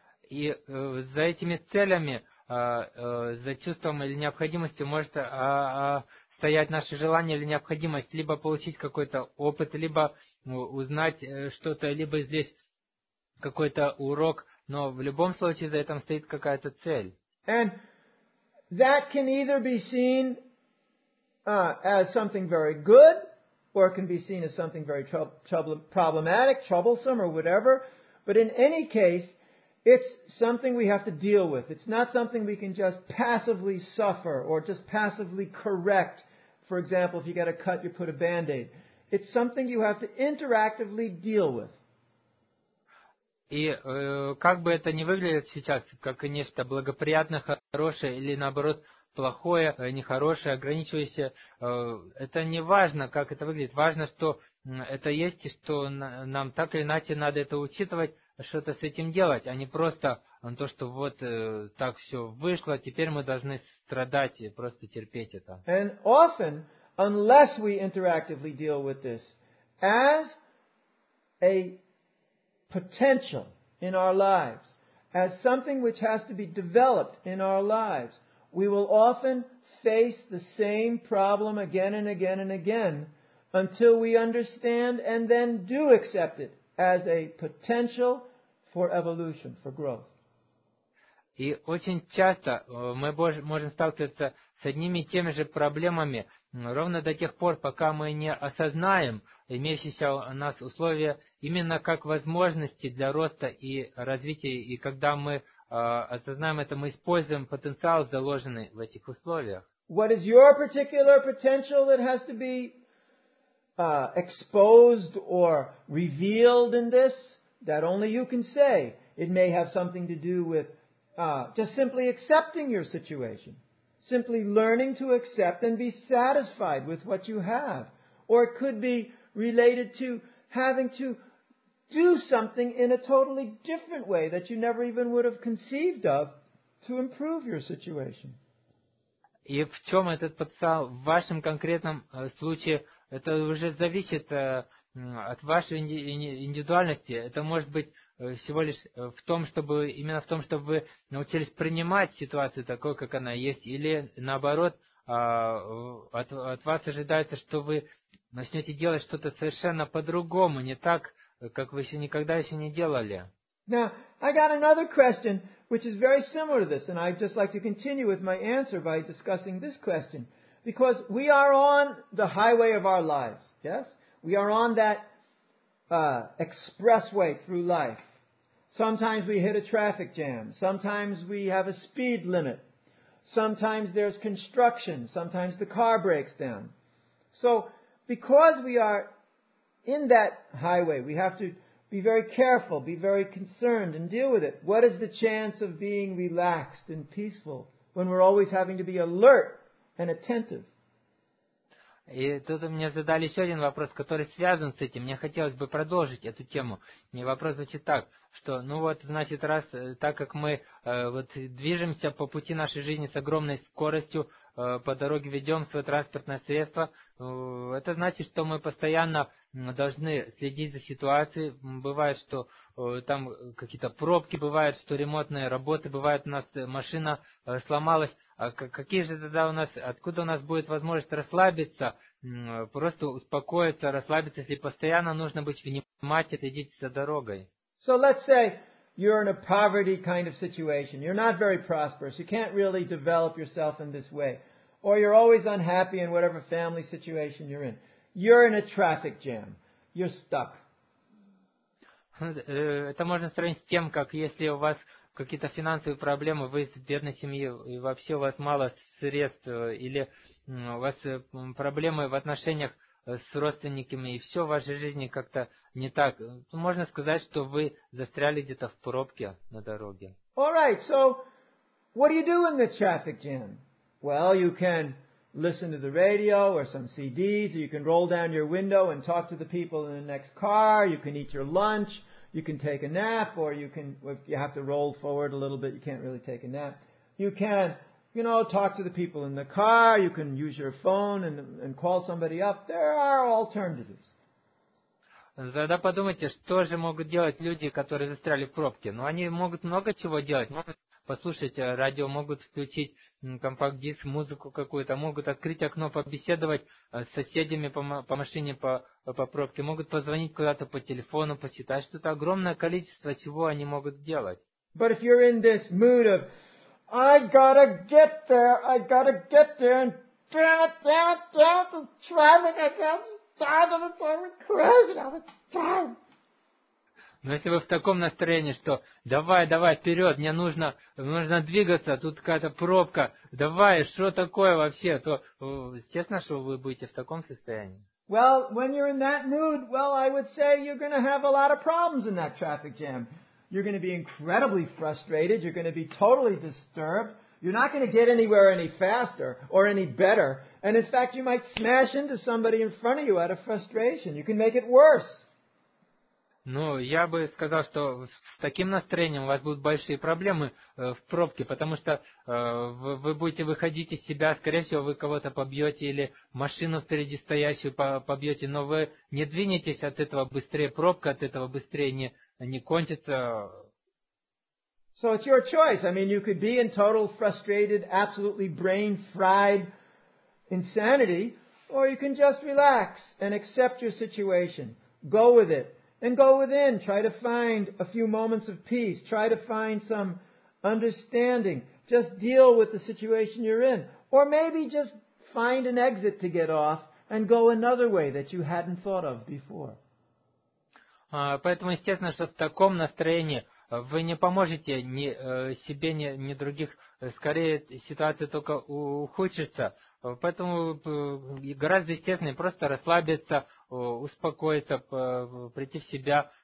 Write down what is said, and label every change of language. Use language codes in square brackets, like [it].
[ru] И за этими целями, за чувством или необходимостью может стоять наше желание или необходимость либо получить какой-то опыт, либо узнать что-то, либо здесь какой-то урок, но в любом случае за этим стоит какая-то цель. [en] And that can either be seen as something very good, or it can be seen as something very problematic, troublesome, or whatever. But in any case, It's something we have to deal with. It's not something we can just passively suffer or just passively correct. For example, if you get a cut, you put a band-aid. It's something you have to interactively deal with. [ru] И как бы это ни выглядело сейчас, как нечто благоприятное, хорошее или наоборот плохое, нехорошее, ограничивающее, это не важно, как это выглядит. Важно, что это есть и что нам так или иначе надо это учитывать, что-то с этим делать, а не просто то, что вот так все вышло, теперь мы должны страдать и просто терпеть это. [en] And often, unless we interactively deal with this, as a potential in our lives, as something which has to be developed in our lives, we will often face the same problem again and again and again until we understand and then do accept it as a potential for evolution, for growth. [ru] И очень часто мы можем сталкиваться с одними и теми же проблемами ровно до тех пор, пока мы не осознаем имеющиеся у нас условия именно как возможности для роста и развития. И когда мы осознаем это, мы используем потенциал, заложенный в этих условиях. [en] What is your particular potential that has to be exposed or revealed in this? That only you can say. It may have something to do with just simply accepting your situation. Simply learning to accept and be satisfied with what you have. Or it could be related to having to do something in a totally different way that you never even would have conceived of to improve your situation. [ru] И в чем этот потенциал? В вашем конкретном случае это уже зависит от вашей индивидуальности. Это может быть всего лишь в том, чтобы именно в том, чтобы вы научились принимать ситуацию такой, как она есть, или наоборот, от вас ожидается, что вы начнете делать что-то совершенно по-другому, не так, как вы еще никогда еще не делали. [en] Now, I got another question, which is very similar to this, and I'd just like to continue with my answer by discussing this question. Because we are on the highway of our lives, yes? We are on that expressway through life. Sometimes we hit a traffic jam. Sometimes we have a speed limit. Sometimes there's construction. Sometimes the car breaks down. So because we are in that highway, we have to be very careful, be very concerned and deal with it. What is the chance of being relaxed and peaceful when we're always having to be alert and attentive? [ru] И тут мне задали еще один вопрос, который связан с этим. Мне хотелось бы продолжить эту тему. И вопрос звучит так, что, ну вот, значит, раз, так как мы вот движемся по пути нашей жизни с огромной скоростью, по дороге ведем свое транспортное средство, это значит, что мы постоянно должны следить за ситуацией. Бывает, что там какие-то пробки бывают, что ремонтные работы бывают, у нас машина сломалась. А какие же тогда у нас, откуда у нас будет возможность расслабиться, просто успокоиться, расслабиться, если постоянно нужно быть внимательным, следить за дорогой? [en] So let's say you're in a poverty kind of situation. You're not very prosperous. You can't really develop yourself in this way. Or you're always unhappy in whatever family situation you're in. You're in a traffic jam. You're stuck. [ru] Это можно сравнить с тем, как если у вас какие-то финансовые проблемы, вы из бедной семьи, и вообще у вас мало средств, или у вас проблемы в отношениях с родственниками, и все в вашей жизни как-то не так. Можно сказать, что вы застряли где-то в пробке на дороге. [en] All right, so what do you do in the traffic jam? Well, you can listen to the radio or some CDs, or you can roll down your window and talk to the people in the next car, you can eat your lunch. You can take a nap, or you can, if you have to roll forward a little bit, you can't really take a nap. You can, you know, talk to the people in the car, you can use your phone and call somebody up. There are alternatives. [ru] Тогда подумайте, что же могут делать люди, которые застряли в пробке? Ну, они могут много чего делать. Могут послушать радио, могут включить компакт-диск, музыку какую-то, могут открыть окно, побеседовать с соседями по машине, по пробке, могут позвонить куда-то по телефону, посчитать что-то. Огромное количество чего они могут делать. [en] But if you're in this mood of I gotta get there, I gotta get there, and damn it, the traffic, I can't stand it, it's crazy all the time. [ru] Но если вы в таком настроении, что давай, давай, вперед, мне нужно, нужно двигаться, тут какая-то пробка, давай, что такое вообще, то естественно, что вы будете в таком состоянии. [en] Well, when you're in that mood, well, I would say you're going to have a lot of problems in that traffic jam. You're going to be incredibly frustrated, you're going to be totally disturbed, you're not going to get anywhere any faster or any better, and in fact, you might smash into somebody in front of you out of frustration. You can make it worse. [ru] Ну, я бы сказал, что с таким настроением у вас будут большие проблемы в пробке, потому что вы будете выходить из себя, скорее всего, вы кого-то побьете или машину впереди стоящую побьете, но вы не двинетесь от этого быстрее, пробка от этого быстрее не кончится. [en] So it's your choice. I mean, you could be in total frustrated, absolutely brain-fried insanity, or you can just relax and accept your situation. Go with it. And go within, try to find a few moments of peace, try to find some understanding, just deal with the situation you're in. Or maybe just find an exit to get off and go another way that you hadn't thought of before. [ru] Поэтому естественно, что в таком настроении вы не поможете ни себе, ни других, скорее ситуация только ухудшится. Поэтому гораздо естественнее просто расслабиться, успокоиться, прийти в себя.